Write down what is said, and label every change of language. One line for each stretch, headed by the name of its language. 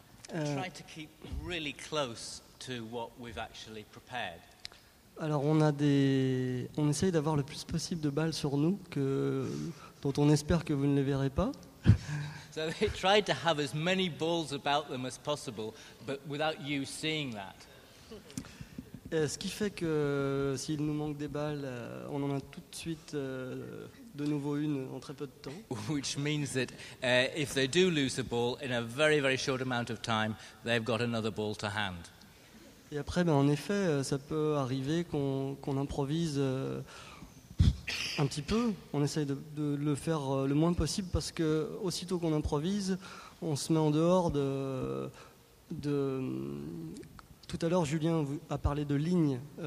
English: Try to keep really close to what we've actually prepared.
French: Alors on essaye d'avoir le plus possible de balles sur nous dont on espère que vous ne les verrez pas.
English: So they tried to have as many balls about them as possible, but without you seeing that.
French: Et ce qui fait que s'il nous manque des balles, on en a tout de suite de nouveau une en très peu de temps.
English: Which means that if they do lose a ball in a very very short amount of time, they've got another ball to hand.
French: Et après, ben, en effet, ça peut arriver qu'on improvise un petit peu. On essaye de le faire le moins possible parce que aussitôt qu'on improvise, on se met en dehors de... Tout à l'heure, Julien a parlé de lignes.